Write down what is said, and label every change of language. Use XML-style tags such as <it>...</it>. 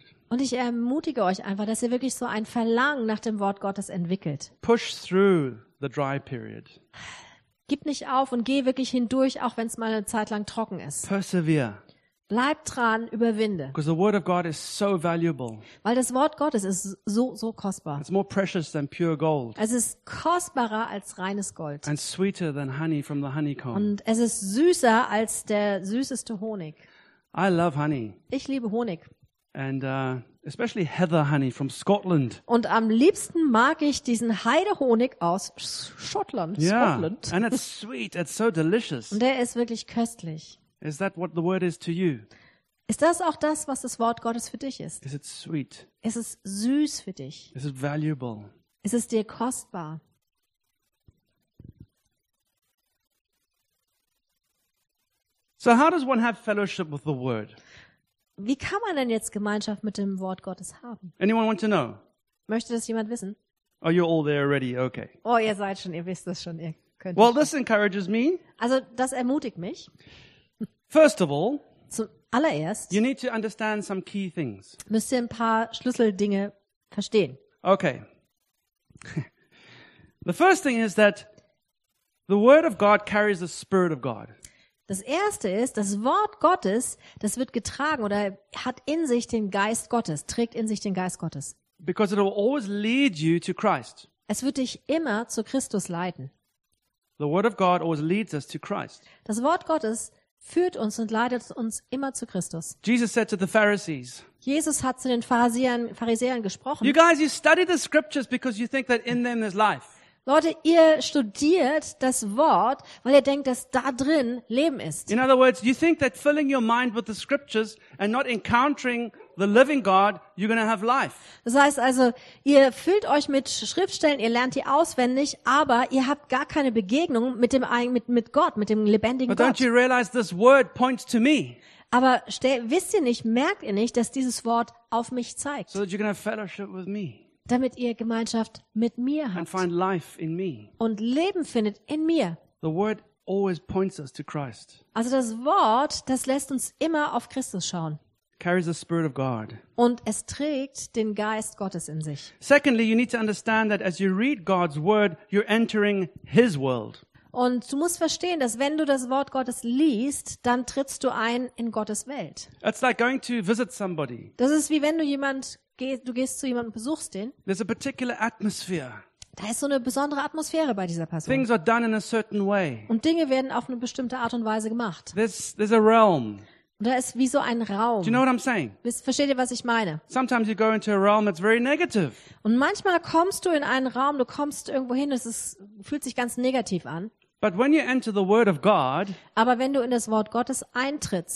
<de>Und ich ermutige euch einfach, dass ihr wirklich so ein Verlangen nach dem Wort Gottes entwickelt.</de> <en>Push through the dry period.</en> <de>Gib nicht auf und geh wirklich hindurch, auch wenn es mal eine Zeit lang trocken ist.</de> <en>Persevere.</en> <de>Bleib dran, überwinde.</de> <en>Because the word of God is so valuable.</en> <de>Weil das Wort Gottes ist so kostbar.</de> <en>It's more precious than pure gold.</en> <de>Es ist kostbarer als reines Gold.</de> <en>And sweeter than honey from the honeycomb.</en> <de>Und es ist süßer als der süßeste Honig.</de> <en>I love honey.</en> <de>Ich liebe Honig.</de> <en>And especially heather honey from Scotland.</en> <de>Und am liebsten mag ich diesen Heidehonig aus Schottland.</de> <en>Yeah. Scotland. And it's sweet. It's so delicious.</en> <de>Und der ist wirklich köstlich.</de> <en>Is that what the word is to you?</en> <de>Ist das auch das, was das Wort Gottes für dich ist?</de> <en>Is it sweet?</en> <de>Ist es süß für dich?</de> <en>Is it valuable?</en> <de>Ist es dir kostbar?</de> <en>So how does one have fellowship with the word?</en> <de>Wie kann man denn jetzt Gemeinschaft mit dem Wort Gottes haben?</de> <en>Anyone want to know?</en> <de>Möchte das jemand wissen?</de> <en>Oh, you're all there already. Okay.</en> <de>Oh, ihr seid schon, ihr wisst es schon, ihr könnt.</de> <en>Well, this encourages me.</en> <de>Also, das ermutigt mich.</de> <en>First of all,</en> <de>zuallererst,</de> <en>you need to understand some key things.</en> <de>Müsst ihr ein paar Schlüsseldinge verstehen.</de> <en>Okay. The first thing is that the word of God carries the spirit of God.</en> <de>Das erste ist, das Wort Gottes, das wird getragen oder hat in sich den Geist Gottes, trägt in sich den Geist Gottes.</de> <en>Because it will always lead you to Christ.</en> <de>Es wird dich immer zu Christus leiten.</de> <en>The word of God always leads us to Christ.</en> <de>Das Wort Gottes führt uns und leitet uns immer zu Christus.</de> <en>Jesus said to the Pharisees.</en> <de>Jesus hat zu den Pharisäern gesprochen.</de> <en>You guys, you study the scriptures because you think that in them there's life.</en> <de>Leute, ihr studiert das Wort, weil ihr denkt, dass da drin Leben ist.</de> <en>In other words, you think that filling your mind with the scriptures and not encountering the living God, you're going to have life.</en> <de>Das heißt also, ihr füllt euch mit Schriftstellen, ihr lernt die auswendig, aber ihr habt gar keine Begegnung mit dem mit Gott, mit dem lebendigen</de> <en>But</en> <de>Gott.</de> <en>Don't you realize this word points to me?</en> <de>Aber wisst ihr nicht, merkt ihr nicht, dass dieses Wort auf mich zeigt?</de> <en>So that you're going to have fellowship with me.</en> <de>Damit ihr Gemeinschaft mit mir habt.</de> <en>And find life in me.</en> <de>Und Leben findet in mir.</de> <en>The word always points us to Christ.</en> <de>Also das Wort, das lässt uns immer auf Christus schauen.</de> <en>Carries the spirit of God.</en> <de>Und es trägt den Geist Gottes in sich.</de> <en>Secondly, you need to understand that as you read God's word, you're entering his world.</en> <de>Und du musst verstehen, dass wenn du das Wort Gottes liest, dann trittst du ein in Gottes Welt.</de> <en>It's like going to visit somebody.</en> <de>Das ist wie wenn du gehst zu jemandem, besuchst den.</de> <en>There's a particular atmosphere.</en> <de>Da ist so eine besondere Atmosphäre bei dieser Person.</de> <en>Things are done in a certain way.</en> <de>Und Dinge werden auf eine bestimmte Art und Weise gemacht.</de> <en>There's a realm.</en> <de>Und da ist wie so ein Raum.</de> <en>Do you know what I'm saying?</en> <de>Versteht ihr, was ich meine?</de> <en>Sometimes you go into a realm that's very negative.</en> <de>Und manchmal kommst du in einen Raum, du kommst irgendwo hin, es fühlt sich ganz negativ an.</de> <en>But when you enter the word of God,</en> <de>aber wenn du in das Wort Gottes eintrittst,</de>